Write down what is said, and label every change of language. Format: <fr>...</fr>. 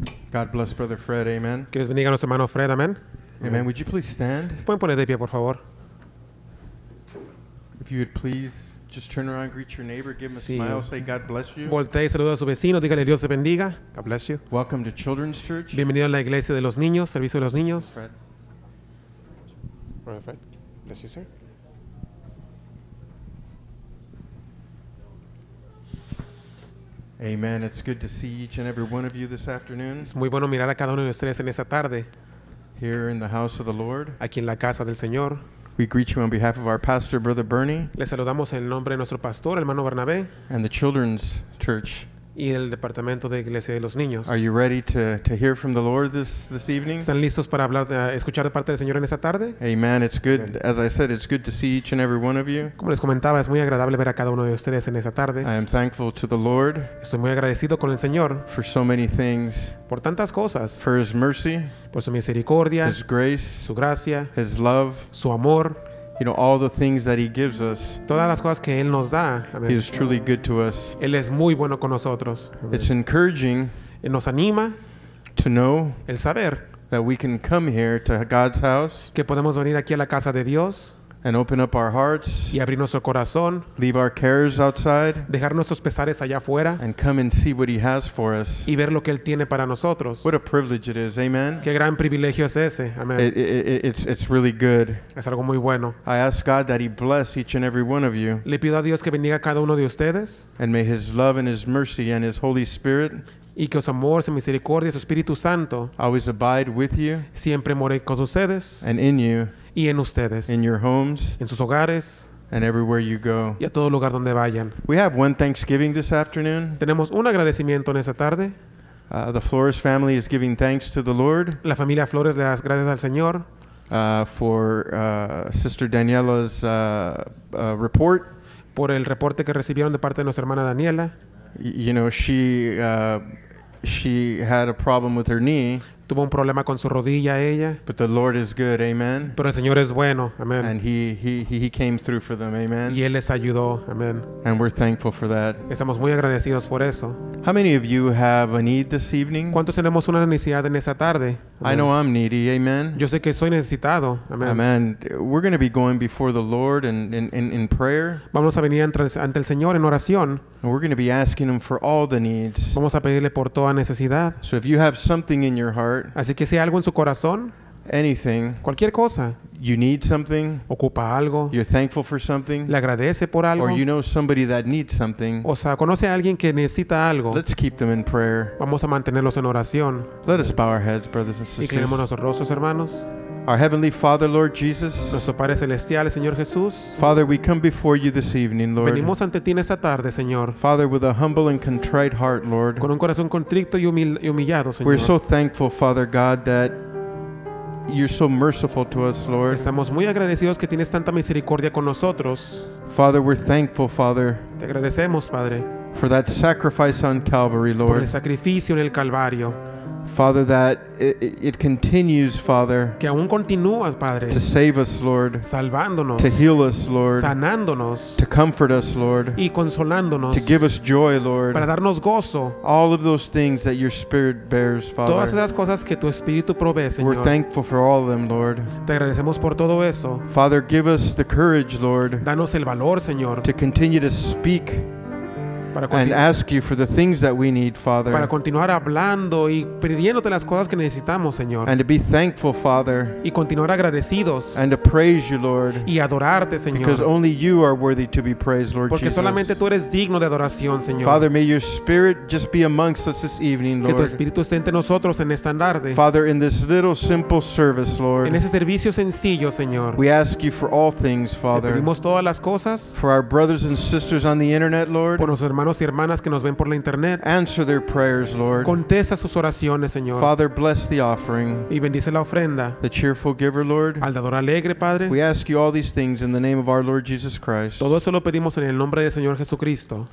<en>God bless Brother Fred, amen.</en> <es>Que Dios bendiga a nuestro hermano Fred, amen.</es> <en>Amen, would you please stand?</en> <es>¿Se pueden poner de pie, por favor?</es> <en>If you would please just turn around, greet your neighbor, give him a smile, say God bless you.</en> <es>Voltee y saluda a su vecino, dígale Dios te bendiga.</es> <en>God bless you. Welcome to Children's Church.</en> <es>Bienvenido a la iglesia de los niños, servicio de los niños.</es> <en>Fred. Brother Fred, bless you, sir. Amen. It's good to see each and every one of you this afternoon.</en> <es>Es muy bueno mirar a cada uno de ustedes en esta tarde.</es> <en>Here in the house of the Lord.</en> <es>Aquí en la casa del Señor.</es> <en>We greet you on behalf of our pastor, Brother Bernie.</en> <es>Le saludamos en nombre de nuestro pastor, hermano Bernabé.</es> <en>And the Children's Church.</en> <es>Y el departamento de Iglesia de los Niños.</es> <en>Are you ready to hear from the Lord this evening?</en> <es>¿Están listos para hablar de escuchar de parte del Señor en esta tarde?</es> <en>Amen. It's good. Amen. As I said, it's good to see each and every one of you.</en> <es>Como les comentaba, es muy agradable ver a cada uno de ustedes en esta tarde.</es> <en>I am thankful to the Lord.</en> <es>Estoy muy agradecido con el Señor.</es> <en>For so many things.</en> <es>Por tantas cosas.</es> <en>For His mercy.</en> <es>Por su misericordia.</es> <en>His grace.</en> <es>Su gracia.</es> <en>His love.</en> <es>Su amor.</es> <en>You know, all the things that He gives us.</en> <es>Todas las cosas que Él nos da.</es> <en>He is truly good to us.</en> <es>Él es muy bueno con nosotros.</es> <en>It's encouraging.</en> <es>Él nos anima.</es> <en>To know.</en> <es>El saber.</es> <en>That we can come here to God's house.</en> <es>Que podemos venir aquí a la casa de Dios.</es> <en>And open up our hearts.</en> <es>Y abrir nuestro corazón.</es> <en>Leave our cares outside.</en> <es>Dejar nuestros pesares allá afuera.</es> <en>And come and see what He has for us.</en> <es>Y ver lo que Él tiene para nosotros.</es> <en>What a privilege it is, amen.</en> <es>Qué gran privilegio es ese, amen.</es> <en>It's really good.</en> <es>Es algo muy bueno.</es> <en>I ask God that He bless each and every one of you.</en> <es>Le pido a Dios que bendiga a cada uno de ustedes.</es> <en>And may His love and His mercy and His Holy Spirit.</en> <es>Y que su amor, su misericordia, su Espíritu Santo.</es> <en>Always abide with you.</en> <es>Siempre more con ustedes.</es> <en>And in you.</en> <es>Y en ustedes,</es> <en>in your homes,</en> <es>en sus hogares,</es> <en>and everywhere you go,</en> <es>y a todo lugar donde vayan.</es> <en>We have one Thanksgiving this afternoon.</en> <es>Tenemos un agradecimiento en esta tarde.</es> <en>The Flores family is giving thanks to the Lord.</en> <es>La familia Flores le da gracias al Señor.</es> <en>for Sister Daniela's report.</en> <es>Por el reporte que recibieron de parte de nuestra hermana Daniela.</es> <en>You know, she had a problem with her knee.</en> <es>Tuvo un problema con su rodilla ella.</es> <en>But the Lord is good, amen.</en> <es>Pero el Señor es bueno, amen.</es> <en>And he came through for them, amen.</en> <es>Y él les ayudó, amen.</es> <en>And we're thankful for that.</en> <es>Estamos muy agradecidos por eso.</es> <en>How many of you have a need this evening?</en> <es>¿Cuántos tenemos una necesidad en esa tarde?</es> <en>Amen. I know I'm needy, amen.</en> <es>Yo sé que soy necesitado, amen.</es> <en>Amen. We're going to be going before the Lord and in prayer.</en> <es>Vamos a venir ante el Señor en oración.</es> <en>And we're going to be asking him for all the needs.</en> <es>Vamos a pedirle por toda necesidad.</es> <en>So if you have something in your heart,</en> <es>así que si hay algo en su corazón,</es> <en>anything,</en> <es>cualquier cosa,</es> <en>you need something,</en> <es>ocupa algo,</es> <en>you're thankful for something,</en> <es>le agradece por algo,</es> <en>or you know somebody that needs something,</en> <es>o sea, conoce a alguien que necesita algo,</es> <en>let's keep them in prayer.</en> <es>Vamos a mantenerlos en oración.</es> <en>Let us bow our heads, brothers and sisters.</en> <es>Inclinemos nuestros rostros, hermanos.</es> <en>Our heavenly Father, Lord Jesus.</en> <es>Nuestro Padre celestial, Señor Jesús.</es> <en>Father, we come before you this evening, Lord.</en> <es>Venimos ante ti en esta tarde, Señor.</es> <en>Father, with a humble and contrite heart, Lord.</en> <es>Con un corazón contrito y humillado, Señor.</es> <en>We're so thankful, Father God, that you're so merciful to us, Lord.</en> <es>Estamos muy agradecidos que tienes tanta misericordia con nosotros.</es> <en>Father, we're thankful, Father.</en> <es>Te agradecemos, Padre.</es> <en>For that sacrifice on Calvary, Lord.</en> <es>Por el sacrificio en el Calvario.</es> <en>Father, that it continues, Father,</en> <es>que aún continúas, Padre,</es> <en>to save us, Lord,</en> <es>salvándonos,</es> <en>to heal us, Lord,</en> <es>sanándonos,</es> <en>to comfort us, Lord,</en> <es>y consolándonos,</es> <en>to give us joy, Lord,</en> <es>para darnos gozo.</es> <en>All of those things that your Spirit bears, Father,</en> <es>todas esas cosas que tu Espíritu provee, Señor,</es> <en>we're thankful for all of them, Lord.</en> <es>Te agradecemos por todo eso.</es> <en>Father, give us the courage, Lord,</en> <es>danos el valor, Señor,</es> <en>to continue to speak and ask you for the things that we need, Father.</en> <es>Para continuar hablando y pidiéndote las cosas que necesitamos, Señor.</es> <en>And to be thankful, Father.</en> <es>Y continuar agradecidos.</es> <en>And to praise you, Lord.</en> <es>Y adorarte, Señor.</es> <en>Because only you are worthy to be praised, Lord.</en> <es>Porque</es> <en>Jesus.</en> <es>Porque solamente tú eres digno de adoración, Señor.</es> <en>Father, may your Spirit just be amongst us this evening, Lord.</en> <es>Que tu Espíritu esté entre nosotros en esta tarde.</es> <en>Father, in this little simple service, Lord.</en> <es>En ese servicio sencillo, Señor.</es> <en>We ask you for all things, Father.</en> <es>Te pedimos todas las cosas.</es> <en>For our brothers and sisters on the internet, Lord.</en> <es>Por nuestros hermanos y hermanas que nos ven por la internet.</es> <en>Answer their prayers, Lord.</en> <es>Contesta sus oraciones, Señor.</es> <en>Father, bless the offering.</en> <es>Y bendice la ofrenda.</es> <en>The cheerful giver, Lord.</en> <es>Al dador alegre, Padre.</es> <en>We ask you all these things in the name of our Lord Jesus Christ.</en> <es>Todo eso lo pedimos en el nombre del Señor Jesucristo.</es>